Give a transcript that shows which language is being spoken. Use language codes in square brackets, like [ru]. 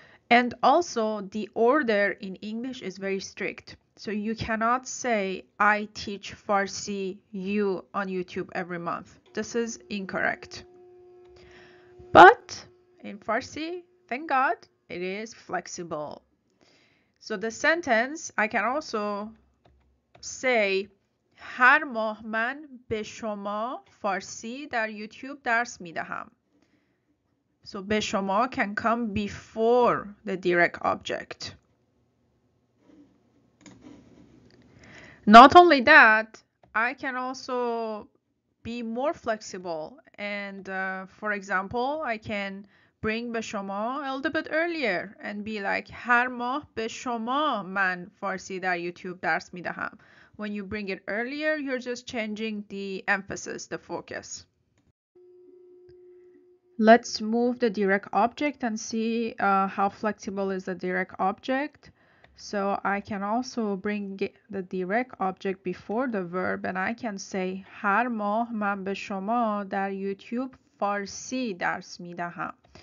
[en] And also, the order in English is very strict. So you cannot say, I teach Farsi you on YouTube every month. This is incorrect. But in Farsi, thank God, it is flexible. So the sentence, I can also say, [fa] هر ماه من به شما فارسی در یوتیوب درس میدهم. [en] So [fa] به شما [en] can come before the direct object. Not only that, I can also be more flexible. And for example, I can bring [fa] به شما [en] a little bit earlier and be like, [fa] هر ماه به شما من فارسی در یوتیوب درس میدهم. [en] When you bring it earlier, you're just changing the emphasis, the focus. Let's move the direct object and see how flexible is the direct object. So I can also bring the direct object before the verb and I can say [fa] هر ماه من به شما در یوتیوب فارسی درس میدهم.